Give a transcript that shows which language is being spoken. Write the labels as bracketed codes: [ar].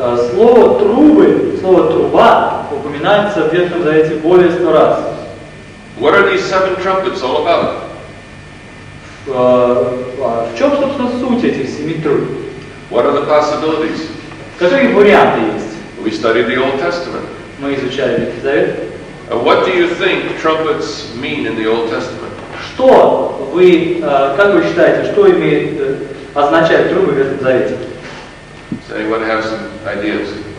[ru] Слово трубы, слово труба упоминается в Ветхом Завете более 100 раз. [en] What are these seven trumpets all about? [ru] В чем, собственно, суть этих семи труб? [en] What are the possibilities? [ru] Какие варианты есть? [en] We studied the Old Testament. [ru] Мы изучали Ветхий Завет. [en] What do you think trumpets mean in the Old Testament? [ru] Что вы, как вы считаете, что имеет, означает трубы в Ветхом Завете? [en] Does anyone have some ideas?